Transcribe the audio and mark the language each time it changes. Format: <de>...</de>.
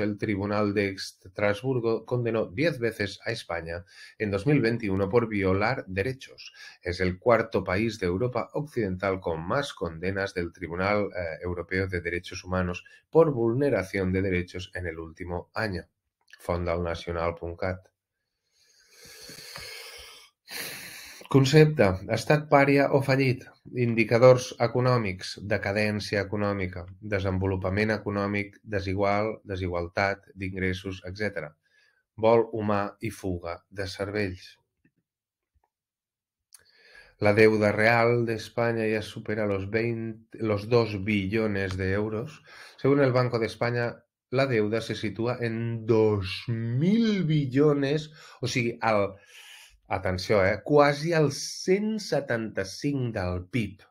<es>El Tribunal de Estrasburgo condenó 10 veces a España en 2021 por violar derechos. Es el cuarto país de Europa Occidental con más condenas del Tribunal Europeo de Derechos Humanos por vulneración de derechos en el último año.</es> <ca>Fondalnacional.cat. Concepte, estat pària o fallit, indicadors econòmics, decadència econòmica, desenvolupament econòmic, desigualtat d'ingressos, etc. vol humà i fuga de cervells.</ca> <es>La deuda real de España ya supera los 2 billones de euros. Según el Banco de España, la deuda se sitúa en 2.000 billones,</es> <ca>o sigui, atenció, quasi el 175 del PIB.</ca>